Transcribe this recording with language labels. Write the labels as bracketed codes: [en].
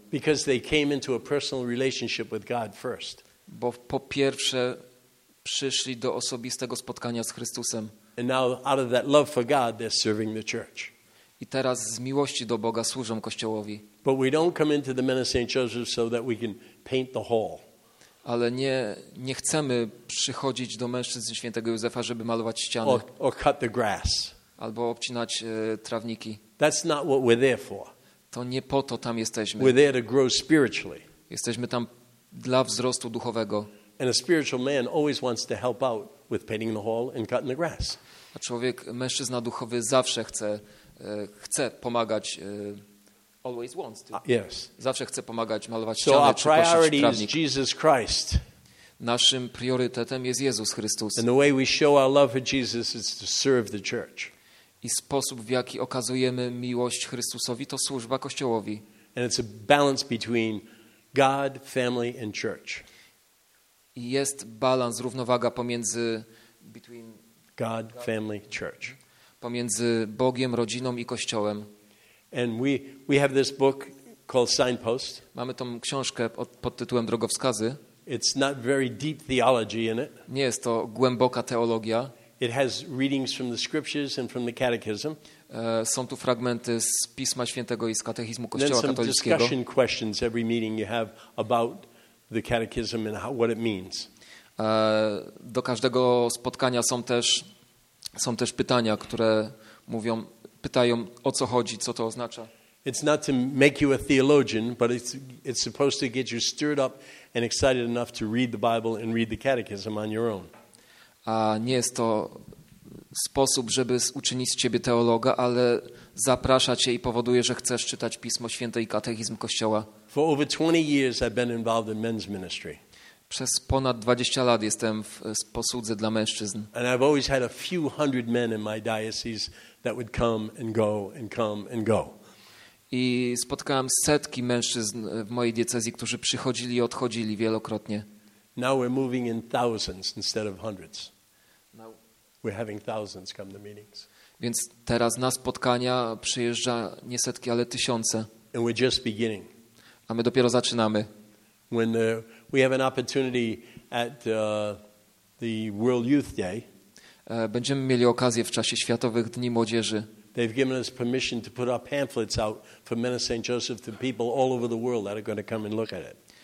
[en] Because they came into a personal relationship with God first. [pl] Bo po pierwsze przyszli do osobistego spotkania z Chrystusem. [en] And now, out of that love for God, they're serving the church. [pl] I teraz z miłości do Boga służą kościołowi. [en] But we don't come into the men of St. Joseph so that we can paint the hall. [pl] Ale nie chcemy przychodzić do mężczyzn Świętego Józefa, żeby malować ściany. [en] Or cut the grass. [pl] Albo obcinać trawniki. [en] That's not what we're there for. [pl] To nie po to tam jesteśmy. [en] We're there to grow spiritually. [pl] Jesteśmy tam dla wzrostu duchowego. [en] And a spiritual man always wants to help out with painting the hall and cutting the grass. [pl] A człowiek, mężczyzna duchowy zawsze chce pomagać. [en] Always wants to. Yes. [pl] Zawsze chce pomagać malować ściany, czy kosić trawnik. [en] So our priority is Jesus Christ. [pl] Naszym priorytetem jest Jezus Chrystus. [en] And the way we show our love for Jesus is to serve the church. [pl] I sposób, w jaki okazujemy miłość Chrystusowi, to służba kościołowi. [en] And it's a balance between God, family and church. [pl] I jest balans, równowaga pomiędzy [en] between God, family, church. [pl] Pomiędzy Bogiem, rodziną i kościołem. [en] And we have this book called Signpost. [pl] Mamy tą książkę pod tytułem Drogowskazy. [en] It's not very deep theology in it. [pl] Nie jest to głęboka teologia. [en] It has readings from the scriptures and from the catechism. [pl] Są tu fragmenty z Pisma Świętego i z katechizmu Kościoła katolickiego. [en] Discussion questions every meeting you have about the catechism and what it means. [pl] Do każdego spotkania są też pytania, które mówią, pytają, o co chodzi, co to oznacza. [en] It's not to make you a theologian, but it's supposed to get you stirred up and excited enough to read the Bible and read the catechism on your own. [pl] A nie jest to sposób, żeby uczynić z ciebie teologa, ale zaprasza cię i powoduje, że chcesz czytać Pismo Święte i katechizm Kościoła. [en] For over 20 years I've been involved in men's ministry. [pl] Przez ponad 20 lat jestem w posłudze dla mężczyzn. [en] And I've always had a few hundred men in my diocese that would come and go and come and go. [pl] I spotkałem setki mężczyzn w mojej diecezji, którzy przychodzili i odchodzili wielokrotnie. [en] Now we're moving in thousands instead of hundreds. Now we're having thousands come to meetings. [pl] Więc teraz na spotkania przyjeżdża nie setki, ale tysiące. [en] And we're just beginning. [pl] A my dopiero zaczynamy. [en] We have an opportunity at the World Youth Day. [pl] Będziemy mieli okazję w czasie Światowych Dni Młodzieży. [en] They've given us permission to put our pamphlets out for Men of St. Joseph to people all over the world that are going to come and look at it.